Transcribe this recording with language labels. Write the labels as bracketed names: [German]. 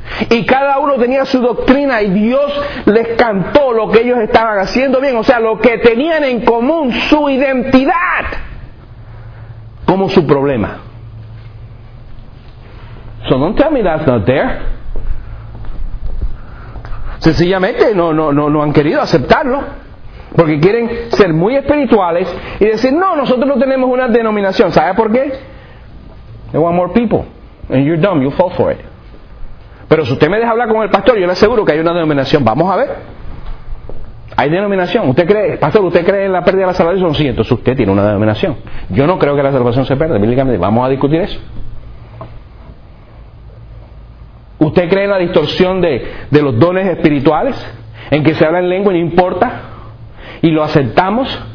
[Spanish] Y cada uno tenía su doctrina y Dios les cantó lo que ellos estaban haciendo bien. O sea, lo que tenían en común, su identidad, como su problema. [English] So don't tell me that's not there. [Spanish] Sencillamente no han querido aceptarlo porque quieren ser muy espirituales y decir no, nosotros no tenemos una denominación. ¿Sabe por qué? [English] They want more people and you're dumb, you fall for it. [Spanish] Pero si usted me deja hablar con el pastor, yo le aseguro que hay una denominación. Vamos a ver, hay denominación. ¿Usted cree, pastor, usted cree en la pérdida de la salvación? Sí, entonces usted tiene una denominación. Yo no creo que la salvación se pierda bíblicamente. Vamos a discutir eso. ¿Usted cree en la distorsión de los dones espirituales? ¿En que se habla en lengua y no importa? ¿Y lo aceptamos?